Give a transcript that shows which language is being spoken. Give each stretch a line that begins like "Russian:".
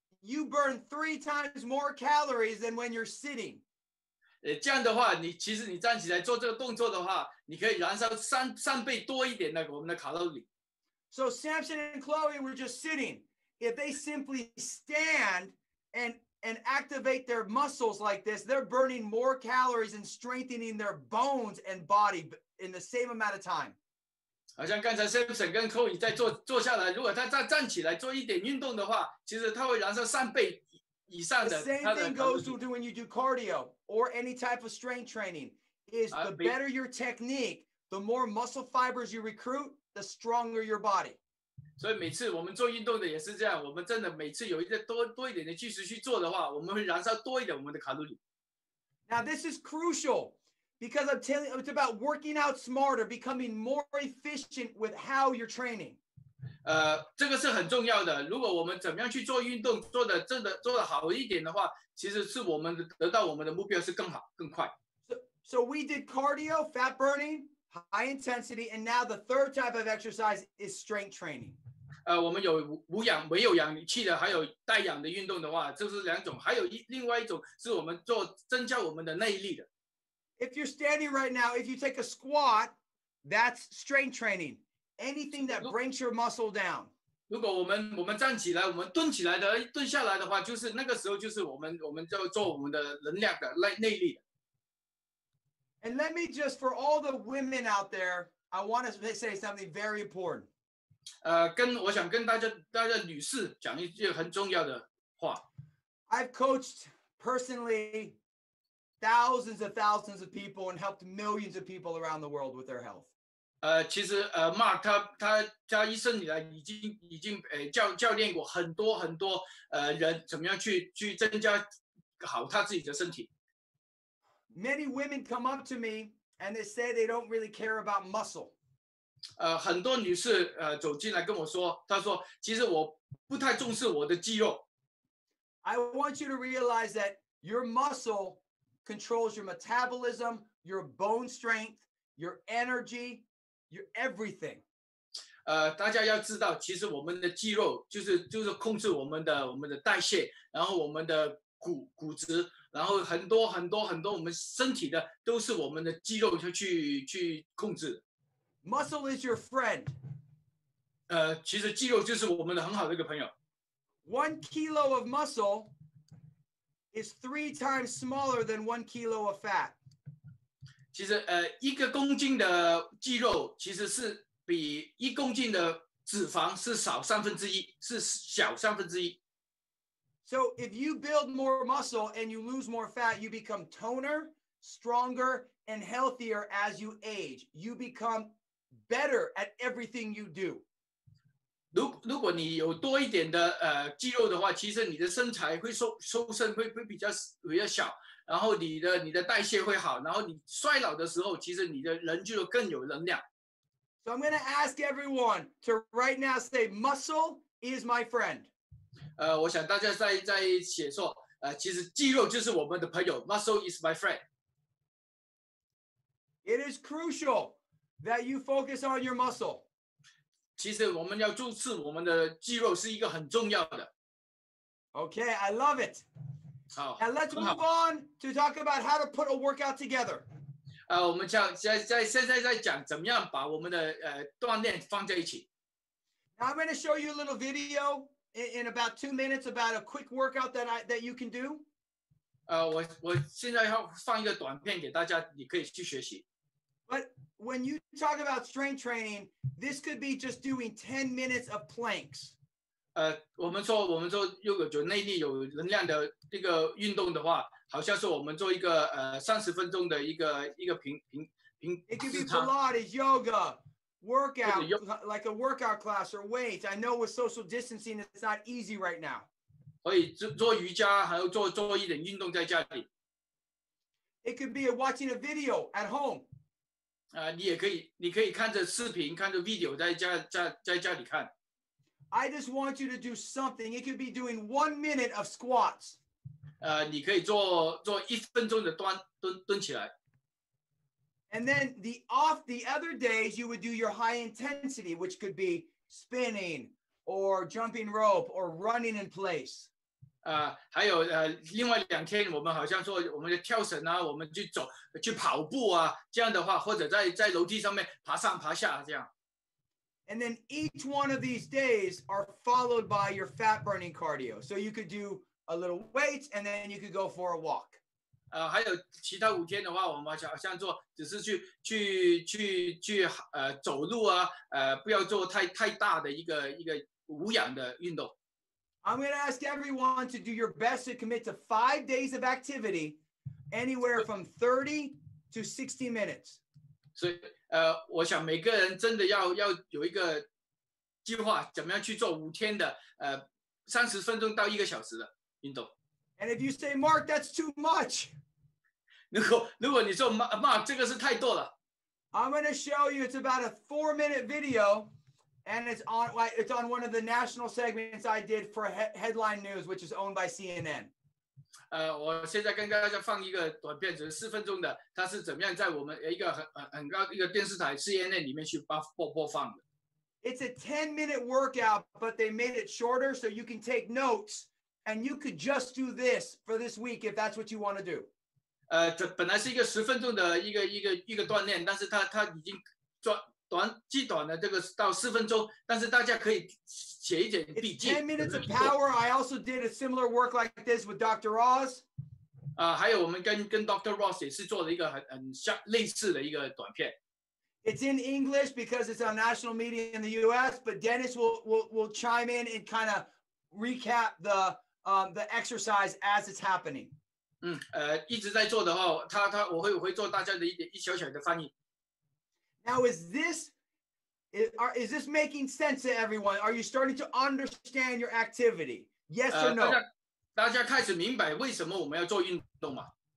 English: You burn 3 times more calories than when you're sitting.
Chinese: 这样的话，其实你站起来做这个动作的话，你可以燃烧三倍多一点那个我们的卡路里。
English: So Samson and Chloe were just sitting. If they simply stand and activate their muscles like this, they're burning more calories and strengthening their bones and body in the same amount of time.
Chinese: 好像刚才 Samson 跟 Chloe 在坐下来，如果他再站起来做一点运动的话，其实他会燃烧3倍以上的。
English: The same thing goes to when you do cardio or any type of strength training. Is the better your technique, the more muscle fibers you recruit, the stronger your body.
Chinese: 所以每次我们做运动的也是这样，我们真的每次有一些多一点的技术去做的话，我们会燃烧多一点我们的卡路里。
English: Now this is crucial. Because I'm telling you, it's about working out smarter, becoming more efficient with how you're training.
Chinese: 这个是很重要的。如果我们怎么样去做运动，做的好一点的话，其实是我们得到我们的目标是更好、更快。
English: So we did cardio, fat burning, high intensity, and now the third type of exercise is strength training.
Chinese: 我们有无氧、没有氧气的，还有带氧的运动的话，这是两种。还有另外一种是我们做增加我们的耐力的。
English: If you're standing right now, if you take a squat, that's strength training. Anything that brings your muscle down.
Chinese: 如果我们站起来，我们蹲起来的，蹲下来的话，就是那个时候就是我们就做我们的能量的内力的。
English: And let me just, for all the women out there, I want to say something very important.
Chinese: 我想跟大家女士讲一句很重要的话。
English: I've coached personally. Thousands and thousands of people and helped millions of people around the world with their health.
Chinese: 其实 Mark 他一生以来已经教练过很多很多人怎么样去增加好他自己的身体。
English: Many women come up to me and they say they don't really care about muscle.
Chinese: 很多女士走进来跟我说，她说其实我不太重视我的肌肉。
English: I want you to realize that your muscle controls your metabolism, your bone strength, your energy, your everything.
Chinese: 大家要知道，其实我们的肌肉就是控制我们的代谢，然后我们的骨质，然后很多很多很多我们身体的都是我们的肌肉去控制。
English: Muscle is your friend.
Chinese: 其实肌肉就是我们的很好的一个朋友。
English: 1 kilo of muscle is 3 times smaller than 1 kilo of fat.
Chinese: 其实一个公斤的肌肉其实是比一公斤的脂肪是少三分之一，是小三分之一。
English: So if you build more muscle and you lose more fat, you become toner, stronger, and healthier as you age. You become better at everything you do.
Chinese: 如果你有多一点的肌肉的话，其实你的身材会瘦身会比较小，然后你的代谢会好，然后你衰老的时候，其实你的人就更有能量。
English: So I'm going to ask everyone to right now say, "Muscle is my friend."
Chinese: 我想大家在写说，其实肌肉就是我们的朋友。
English: Muscle is my friend. It is crucial that you focus on your muscle.
Chinese: 其实我们要重视我们的肌肉是一个很重要的。
English: Okay, I love it.
Chinese: 好
English: ，And let's move on to talk about how to put a workout together.
Chinese: 我们现在讲怎么样把我们的锻炼放在一起。
English: Now I'm going to show you a little video in about 2 minutes about a quick workout that you can do.
Chinese: 我现在要放一个短片给大家，你可以去学习。
English: But when you talk about strength training, this could be just doing 10 minutes of planks.
Chinese: 我们说如果有内力有能量的这个运动的话，好像是我们做一个30分钟的一个平。
English: It could be Pilates, yoga, workout, like a workout class or weights. I know with social distancing, it's not easy right now.
Chinese: 可以做瑜伽，还有做一点运动在家里。
English: It could be watching a video at home.
Chinese: 你可以看着视频，看着 video 在家里看。
English: I just want you to do something. It could be doing 1 minute of squats.
Chinese: 你可以做一分钟的蹲起来。
English: And then the other days you would do your high intensity, which could be spinning or jumping rope or running in place.
Chinese: 还有另外两天我们好像说我们的跳绳啊，我们去走去跑步啊，这样的话或者在楼梯上面爬上爬下这样。
English: And then each one of these days are followed by your fat burning cardio. So you could do a little weight and then you could go for a walk.
Chinese: 还有其他五天的话我们好像做只是去走路啊，不要做太大的一个无氧的运动。
English: I'm going to ask everyone to do your best to commit to 5 days of activity anywhere from 30 to 60 minutes.
Chinese: 所以我想每个人真的要有一个计划怎么样去做五天的30分钟到一个小时的运动。
English: And if you say, Mark, that's too much.
Chinese: 如果你说 Mark, 这个是太多了。
English: I'm going to show you, it's about a 4-minute video, and it's on one of the national segments I did for Headline News, which is owned by CNN.
Chinese: 我现在跟大家放一个短片，只是四分钟的，它是怎么样在我们一个 很高一个电视台 CNN 里面去播放的。
English: It's a 10-minute workout, but they made it shorter, so you can take notes. And you could just do this for this week if that's what you want to do.
Chinese: 这本来是一个十分钟的一个锻炼，但是它已经短了这个到四分钟，但是大家可以写一点笔记。
English: It's 10 minutes of power. I also did a similar work like this with Dr. Oz.
Chinese: 还有我们跟 Dr. Ross 也是做了一个很像类似的一个短片。
English: It's in English because it's on national media in the U.S. But Dennis will chime in and kind of. Recap the exercise as it's happening.
Chinese: 一直在做的话，他我会做大家的一小小的翻译。
English: Now is this making sense to everyone? Are you starting to understand your activity? Yes or no?
Chinese: 大家开始明白为什么我们要做运动吗